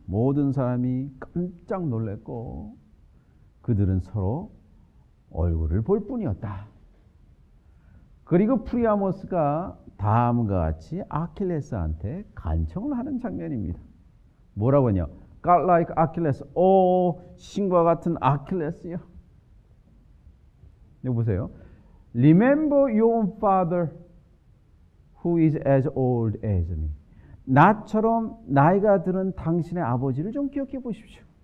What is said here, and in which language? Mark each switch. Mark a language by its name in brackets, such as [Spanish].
[Korean] 모든 사람이 깜짝 놀랬고 그들은 서로 얼굴을 볼 뿐이었다. 그리고 프리아모스가 다음과 같이 아킬레스한테 간청을 하는 장면입니다. 뭐라고 했냐? [English] God like Achilles. [Korean] 오, 신과 같은 아킬레스요. 여기 보세요. [English] Remember your own father who is as old as me. [Korean] 나처럼 나이가 들은 당신의 아버지를 좀 기억해 보십시오.